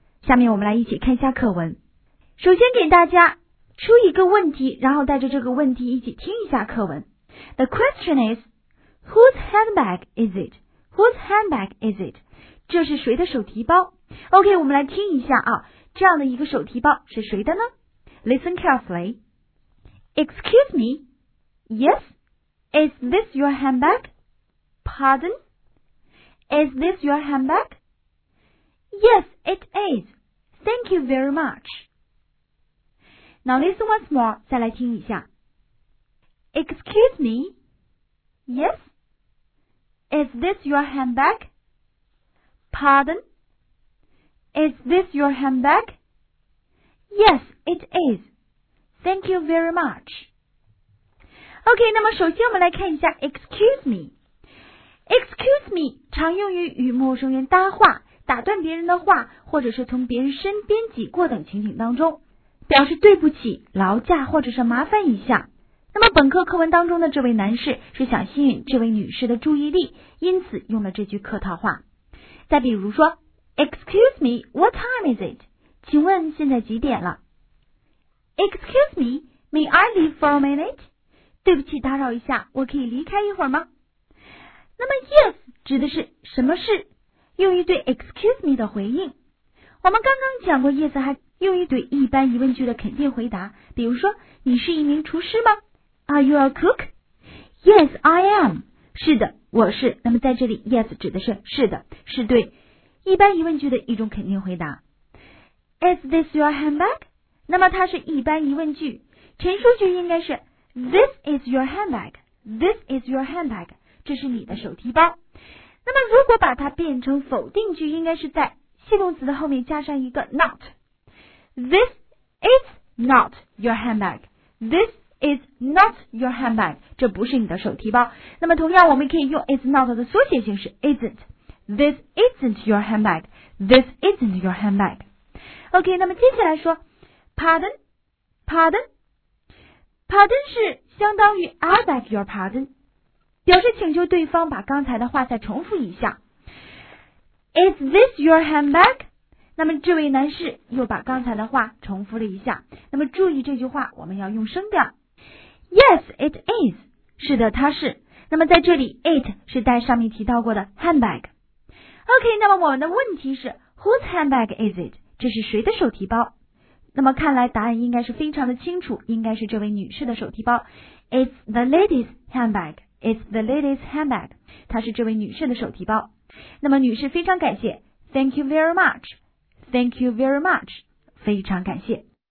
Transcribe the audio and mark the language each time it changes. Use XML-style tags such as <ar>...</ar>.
<zh>下面我们来一起看一下课文。首先给大家出一个问题，然后带着这个问题一起听一下课文。</zh> <en>The question is, whose handbag is it? Whose handbag is it?</en> <zh>这是谁的手提包？ OK, 我们来听一下啊，这样的一个手提包是谁的呢？</zh> <en>Listen carefully. Excuse me. Yes, is this your handbag? Pardon? Is this your handbag? Yes, it is. Thank you very much. Now listen once more,</en> <zh>再来听一下。</zh> <en>Excuse me. Yes? Is this your handbag? Pardon? Is this your handbag? Yes, it is. Thank you very much.</en> <zh>OK, 那么首先我们来看一下 excuse me. Excuse me 常用于与陌生人搭话，打断别人的话，或者是从别人身边挤过等情景当中，表示对不起、劳驾或者是麻烦一下。那么本课课文当中的这位男士是想吸引这位女士的注意力，因此用了这句客套话。</zh> <en>再比如说 Excuse me, what time is it?</en> <zh>请问现在几点了？</zh> <en>Excuse me, may I leave for a minute?</en> <zh>对不起打扰一下，我可以离开一会儿吗？那么 yes 指的是什么事，用于对 excuse me 的回应。我们刚刚讲过 yes 还用于对一般疑问句的肯定回答，比如说你是一名厨师吗？</zh> <en>Are you a cook? Yes, I am.</en> <zh>是的，我是。那么在这里 ,yes 指的是是的，是对一般疑问句的一种肯定回答。</zh> <en>Is this your handbag?</en> <zh>那么它是一般疑问句。陈述句应该是</zh> <en>This is your handbag. This is your handbag.</en> <zh>这是你的手提包。那么如果把它变成否定句，应该是在形容词的后面加上一个 not.</zh> <en>This is not your handbag. This is not your handbag,</en> <zh>这不是你的手提包。那么同样我们可以用 is not 的缩写形式 isn't.</zh> <en>This isn't your handbag. This isn't your handbag.</en> <zh>OK, 那么接下来说 pardon, pardon, pardon 是相当于</zh> <en>I beg your pardon,</en> <zh>表示请求对方把刚才的话再重复一下。</zh> <en>Is this your handbag?</en> <zh>那么这位男士又把刚才的话重复了一下。那么注意这句话我们要用声调。</zh> <en>Yes, it is.</en> <zh>是的，它是。那么在这里 it 是带上面提到过的 handbag.</zh> <en>OK,</en> <zh>那么我们的问题是</zh> <en>Whose handbag is it?</en> <zh>这是谁的手提包？那么看来答案应该是非常的清楚，应该是这位女士的手提包。</zh> <en>It's the lady's handbag. It's the lady's handbag.</en> <zh>它是这位女士的手提包。那么女士非常感谢。</zh> <en>Thank you very much. Thank you very much.</en> <zh>非常感谢。</zh>